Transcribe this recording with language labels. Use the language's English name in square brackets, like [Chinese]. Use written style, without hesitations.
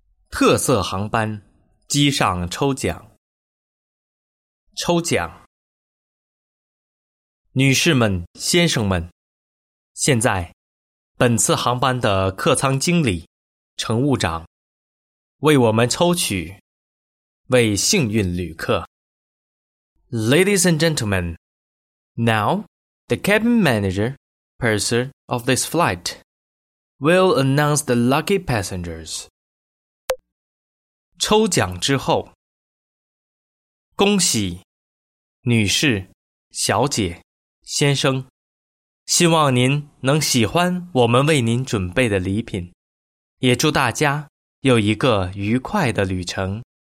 [Chinese] 特色航班机上抽奖。抽奖。女士们，先生们，现在本次航班的客舱经理乘务长为我们抽取为幸运旅客。 [English] Ladies and gentlemen, now the cabin manager, purser of this flight, will announce the lucky passengers. [Chinese] 抽奖之后，恭喜女士、小姐、先生，希望您能喜欢我们为您准备的礼品，也祝大家有一个愉快的旅程。